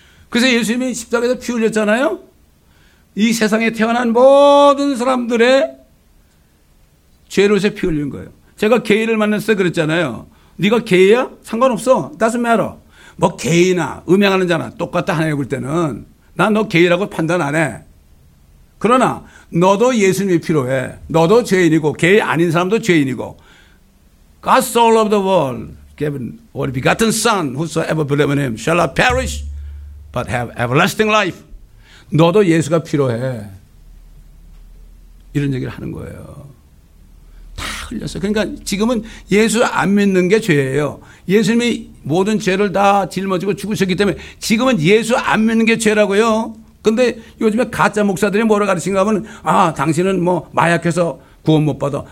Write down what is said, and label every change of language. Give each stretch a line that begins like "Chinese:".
Korean: 그래서 예수님이 십자가에서 피 흘렸잖아요. 이 세상에 태어난 모든 사람들의 죄로서 피 흘린 거예요. 제가 게이를 만났을 때 그랬잖아요. 네가 게이야? 상관없어.
English: Doesn't matter.
Korean: 뭐 게이나 음행하는 자나 똑같다 하나님 볼 때는 난 너 게이라고 판단 안 해. 그러나 너도 예수님이 필요해. 너도 죄인이고 게이 아닌 사람도 죄인이고
English: God so loved the world given only begotten son whosoever believes in him shall not perish but have everlasting life.
Korean: 너도 예수가 필요해. 이런 얘기를 하는 거예요. 다 흘렸어요. 그러니까 지금은 예수 안 믿는 게 죄예요. 예수님이 모든 죄를 다 짊어지고 죽으셨기 때문에 지금은 예수 안 믿는 게 죄라고요. 근데 요즘에 가짜 목사들이 뭐라 가르친가 하면, 아, 당신은 뭐 마약해서 구원 못 받아.